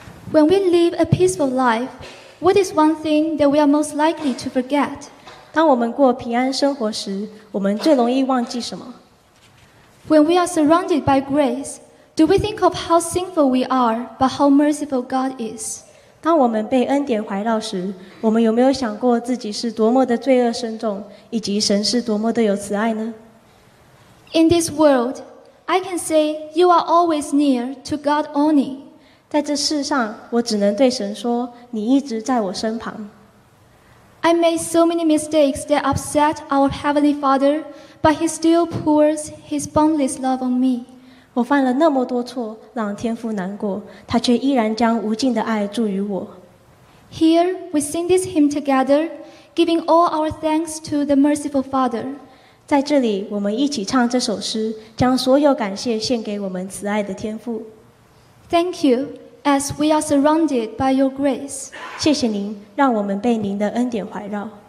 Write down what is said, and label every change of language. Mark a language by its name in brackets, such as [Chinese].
[English] When we live a peaceful life, what is one thing that we are most likely to forget? [Chinese] 当我们过平安生活时，我们最容易忘记什么？ [English] When we are surrounded by grace, do we think of how sinful we are, but how merciful God is? [Chinese] 当我们被恩典怀绕时，我们有没有想过自己是多么的罪恶深重，以及神是多么的有慈爱呢？ [English] In this world, I can say you are always near to God only. [Chinese] 在这世上，我只能对神说，你一直在我身旁。 [English] I made so many mistakes that upset our Heavenly Father, but He still pours His boundless love on me. [Chinese] 我犯了那么多错，让天父难过，他却依然将无尽的爱注于我。 [English] Here we sing this hymn together, giving all our thanks to the merciful Father. [Chinese] 在这里，我们一起唱这首诗，将所有感谢献给我们慈爱的天父。 [English] Thank you, as we are surrounded by your grace. [Chinese] 谢谢您，让我们被您的恩典怀绕。